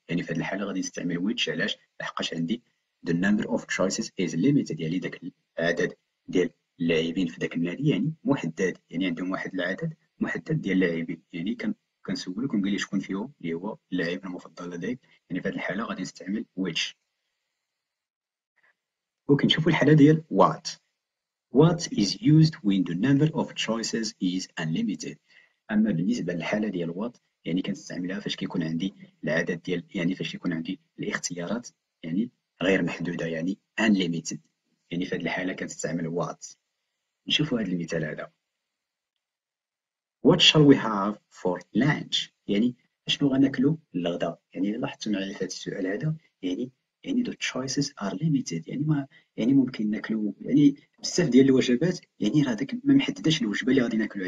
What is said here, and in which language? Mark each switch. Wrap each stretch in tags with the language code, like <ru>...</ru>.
<ar>يعني في هذه الحاله غادي نستعمل which، علاش؟ لحقاش عندي</ar> <en>the number of choices is limited،</en> <ar>يعني داك العدد ديال اللاعبين في داك النادي يعني محدد، يعني عندهم واحد العدد محدد ديال اللاعبين. يعني كنسولك ونقول لي شكون فيهم اللي هو اللاعب المفضل لديك. يعني في هذه الحاله غادي نستعمل which. وكنشوفوا الحاله ديال what.</ar> <en>What is used when the number of choices is unlimited.</en> <ar>اما بالنسبه للحاله ديال what، يعني كنستعملها فاش كيكون عندي العدد ديال، يعني فاش كيكون عندي الاختيارات يعني غير محدوده، يعني unlimited. يعني في هذه الحاله كنستعمل what. نشوفوا هذا المثال هذا.</ar> <en>What shall we have for lunch؟</en> <ar>يعني شنو غناكلو للغدا؟ يعني لاحظتوا معايا في هذا السؤال هذا، يعني</ar> <en>the choices are limited،</en> <ar>يعني ما يعني ممكن ناكلو يعني بزاف ديال الوجبات، يعني راه داك ما محددش الوجبه اللي غادي ناكلوها.</ar>